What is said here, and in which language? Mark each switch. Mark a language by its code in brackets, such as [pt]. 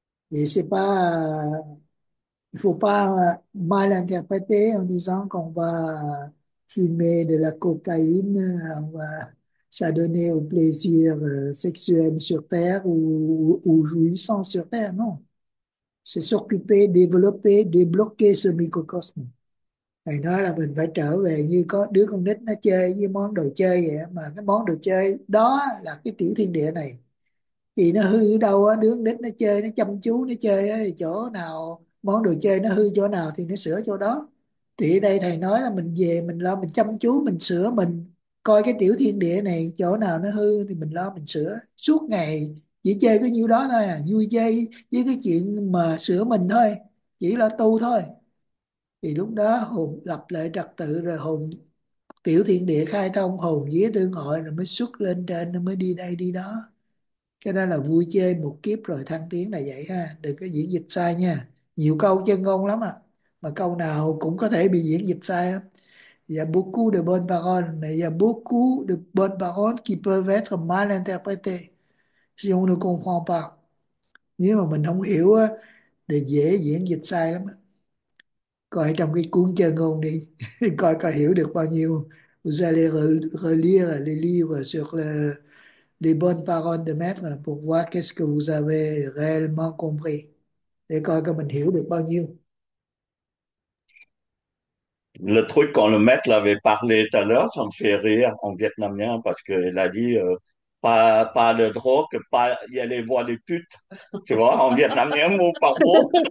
[fr] Et c'est pas, il faut pas mal interpréter en disant qu'on va fumer de la cocaïne, on va s'adonner au plaisir sexuel sur Terre ou jouissant sur Terre, non. C'est s'occuper, développer, débloquer ce microcosme. [vi] Thầy nói là mình phải trở về như có đứa con nít nó chơi với món đồ chơi vậy, mà cái món đồ chơi đó là cái tiểu thiên địa này. Thì nó hư ở đâu á, đứa con nít nó chơi, nó chăm chú, nó chơi á, chỗ nào, món đồ chơi nó hư chỗ nào thì nó sửa chỗ đó. Thì ở đây thầy nói là mình về, mình lo, mình chăm chú, mình sửa, mình coi cái tiểu thiên địa này, chỗ nào nó hư thì mình lo, mình sửa. Suốt ngày chỉ chơi cái nhiêu đó thôi à, vui chơi với cái chuyện mà sửa mình thôi, chỉ là tu thôi. Thì lúc đó hồn lập lại trật tự, rồi hồn tiểu thiên địa khai thông, hồn vía tương hội, rồi mới xuất lên trên, rồi mới đi đây đi đó. Cái đó là vui chơi một kiếp rồi thăng tiến là vậy ha, đừng có diễn dịch sai nha. Nhiều câu chân ngôn lắm à, mà câu nào cũng có thể bị diễn dịch sai lắm. [fr] Il y a beaucoup de bonnes paroles, mais il y a beaucoup de bonnes paroles qui peuvent être mal interprétées si on ne comprend pas. [vi] Nếu mà mình không hiểu á, thì dễ diễn dịch sai lắm. Coi trong cái cuốn chơi ngôn đi, coi coi hiểu được bao nhiêu. [fr] Vous allez relire les livres sur les bonnes paroles de maître pour voir qu'est-ce que vous avez réellement compris. [vi] Để coi coi mình hiểu được bao nhiêu. [fr] Le truc quand le maître l'avait parlé tout à l'heure, ça me fait rire en vietnamien parce qu'il a dit pas de drogue, pas y aller voir les putes, tu vois, en vietnamien mot par mot.